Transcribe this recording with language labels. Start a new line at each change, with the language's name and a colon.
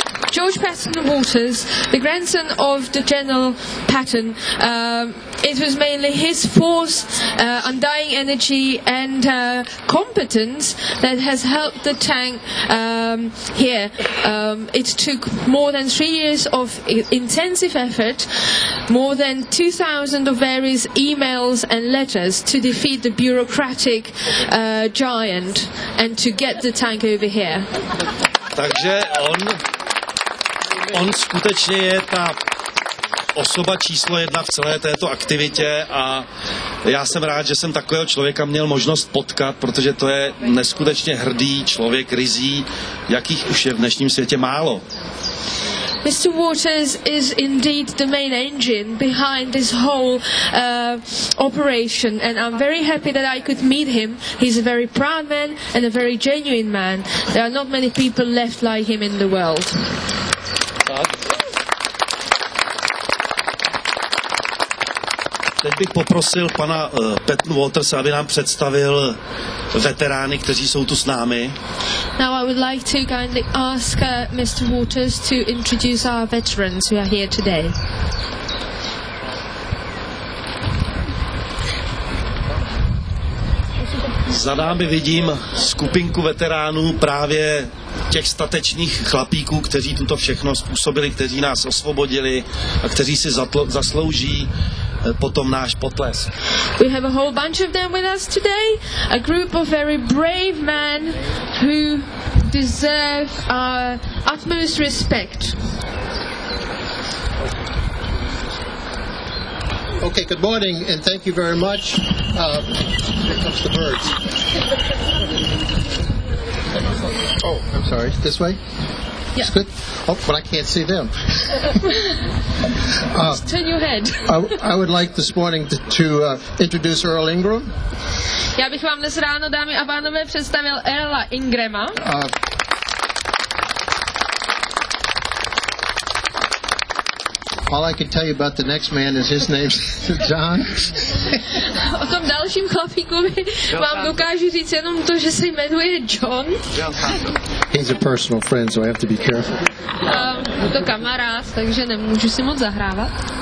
English: George Patton Waters, the grandson of the General Patton, it was mainly his force, undying energy and competence that has helped the tank here. It took more than 3 years of intensive effort, more than 2,000 of various emails and letters to defeat the bureaucratic giant and to get the tank over here.
Czech: Takže on skutečně je ta osoba číslo jedna v celé této aktivitě a já jsem rád, že jsem takového člověka měl možnost potkat, protože to je neskutečně hrdý člověk, ryzí, jakých už je v dnešním světě málo.
English: Mr. Waters is indeed the main engine behind this whole operation, and I'm very happy that I could meet him. He's a very proud man and a very genuine man. There are not many people left like him in the world.
Czech: Teď bych poprosil pana Patton Waterse, aby nám představil veterány, kteří jsou tu s námi.
English: Now I would like to kindly ask Mr. Waters to introduce our veterans who are here today.
Czech: Za námi vidím skupinku veteránů právě těch statečných chlapíků, kteří tuto všechno způsobili, kteří nás osvobodili a kteří si zaslouží potom náš potlesk.
English: We have a whole bunch of them with us today, a group of very brave men who deserve our utmost respect. Okay, good morning, and thank you very much. Here comes the birds. Oh, I'm sorry. This way? Yeah. It's good. Oh, but I can't see them. Just turn your head. I would like this morning to introduce Earl Ingram.
Czech: Já bych vám dnes ráno, dámy a pánové, představil Earla Ingrama.
English: All I can tell you about the next man is his name's John.
Czech: O tom dalším chlapíkovi vám dokážu říct jenom to, že se jmenuje John.
English: He's a personal friend, so I have to be careful.
Czech: To kamarád, takže nemůžu si moc zahrávat.